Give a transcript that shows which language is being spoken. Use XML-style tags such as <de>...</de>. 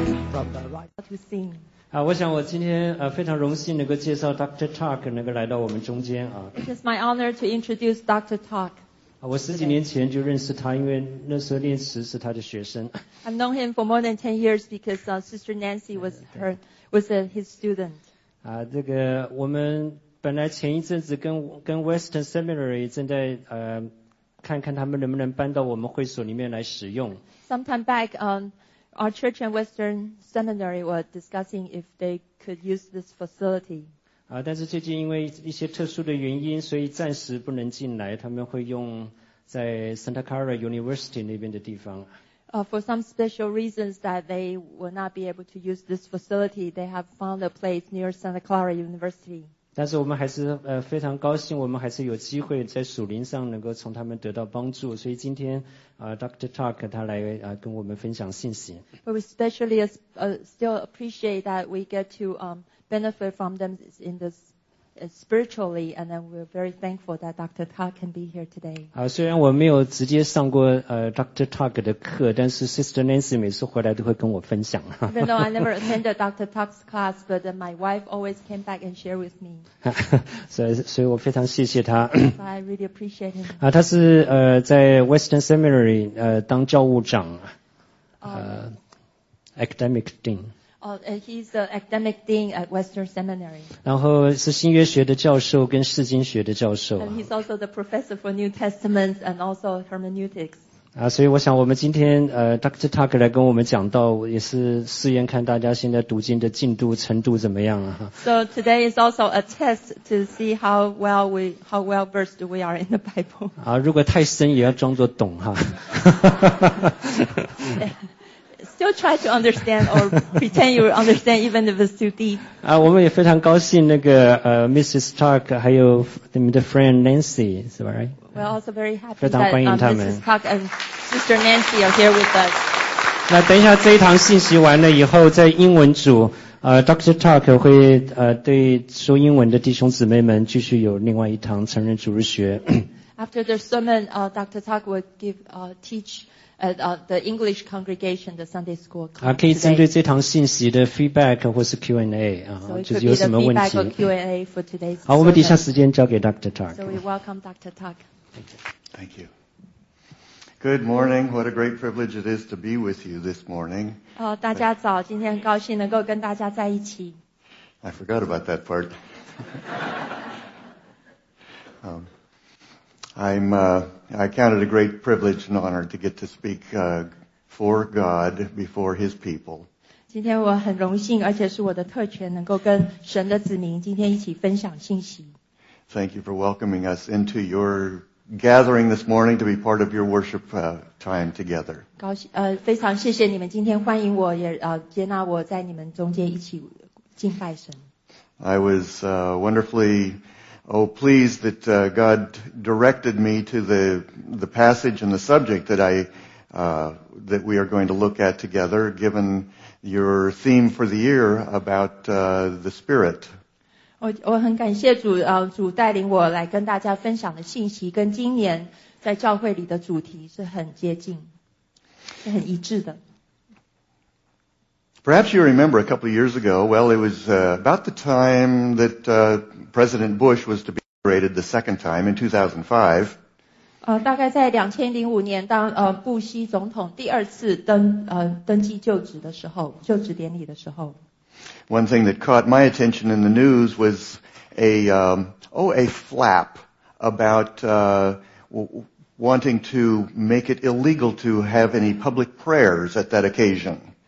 <zh>我想我今天非常荣幸能够介绍 Dr. Tuck 能够来到我们中间啊。</zh> <en>It is my honor to introduce Dr. Tuck.</en> <zh>我十几年前就认识他，因为那时候念慈是他的学生。</zh> <en>I've known him for more than 10 years because Sister Nancy was his student.</en> <zh>这个我们本来前一阵子跟 Western Seminary 正在看看他们能不能搬到我们会所里面来使用。</zh> <en>Sometime back, Our church and Western Seminary were discussing if they could use this facility.</en> <zh>但是最近因为一些特殊的原因，所以暂时不能进来。他们会用在 Santa Clara University 那边的地方。</zh> <en>For some special reasons that they will not be able to use this facility, they have found a place near Santa Clara University.</en> <zh>但是我们还是非常高兴，我们还是有机会在属灵上能够从他们得到帮助。所以今天Dr. Tuck 他来跟我们分享信息。</zh> <en>But we especially still appreciate that we get to benefit from them in this spiritually, and then we're very thankful that Dr. Tuck can be here today.</en> <zh>虽然我没有直接上过Dr. Tuck 的课，但是 Sister Nancy 每次回来都会跟我分享。</zh> <en>Even though I never attended Dr. Tuck's class, but then my wife always came back and shared with me.</en> <zh>所以我非常谢谢他。</zh> <en>I really appreciate him.</en> <zh>他是在 Western Seminary 当教务长</zh> <en>academic dean. He's the academic dean at Western Seminary.</en> <zh>然后是新约学的教授跟释经学的教授。</zh> <en>And he's also the professor for New Testament and also hermeneutics.</en> <zh>所以我想我们今天Dr. Tuck 来跟我们讲到，也是试验看大家现在读经的进度程度怎么样啊。</zh> <en>So today is also a test to see how well versed we are in the Bible.</en> <zh>如果太深也要装作懂哈。</zh> <en>Still try to understand or pretend you understand even if it's too deep.</en> <zh>我们也非常高兴那个Mrs. Tuck 还有你们的 friend Nancy, 是吧</zh> <en>right? We're also very happy that Mrs. Tuck and Sister Nancy are here with us.</en> <zh>那等一下这一堂信息完了以后在英文组Dr. Tuck 会对说英文的弟兄姊妹们继续有另外一堂成人主日学。</zh> <en>After the sermon, Dr. Tuck would teach at the English congregation, the Sunday school.</en> <zh>可以针对这堂信息的 feedback 或是 Q&A, 就是有什么问题。好，我们底下时间交给 Dr. Tuck.</zh> <en>So we welcome Dr. Tuck. Thank you. Good morning. What a great privilege it is to be with you this morning.</en> <zh>大家早，今天很高兴能够跟大家在一起。</zh> <en>I forgot about that part. I count it a great privilege and honor to get to speak for God before His people.</en> <zh>今天我很荣幸，而且是我的特权，能够跟神的子民今天一起分享信息。</zh> <en>Thank you for welcoming us into your gathering this morning to be part of your worship time together.</en> <zh>高兴，非常谢谢你们今天欢迎我，也接纳我在你们中间一起敬拜神。</zh> <en>I was wonderfully. Oh, please that God directed me to the passage and the subject that we are going to look at together, given your theme for the year about the Spirit.</en> <zh>我很感谢主，主带领我来跟大家分享的信息，跟今年在教会里的主题是很接近，是很一致的。</zh> <en>Perhaps you remember a couple of years ago, well, it was about the time that President Bush was to be inaugurated the second time in 2005.</en> <zh>大概在2005年当布希总统第二次登基就职的时候，就职典礼的时候。</zh> <en>One thing that caught my attention in the news was a flap about wanting to make it illegal to have any public prayers at that occasion.</en>